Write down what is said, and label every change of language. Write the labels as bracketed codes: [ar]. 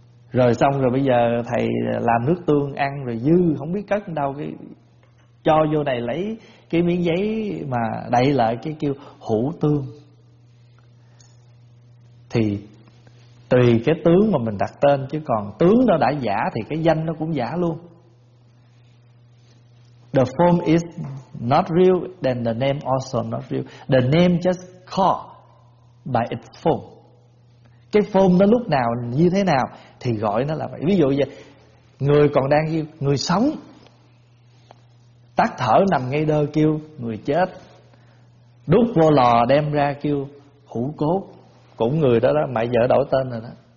[vi] Rồi xong rồi bây giờ thầy làm nước tương ăn rồi dư không biết cất đâu, cái cho vô này lấy cái miếng giấy mà đậy lại cái kêu hủ tương. Thì tùy cái tướng mà mình đặt tên, chứ còn tướng nó đã giả thì cái danh nó cũng giả luôn. [en] The form is not real, then the name also not real. The name just called by its form. [vi] Cái form nó lúc nào như thế nào thì gọi nó là vậy. Ví dụ như người còn đang kêu người sống, tắt thở nằm ngay đơ kêu người chết, đút vô lò đem ra kêu hủ cốt, cũng người đó đó, mãi giờ đổi tên rồi đó.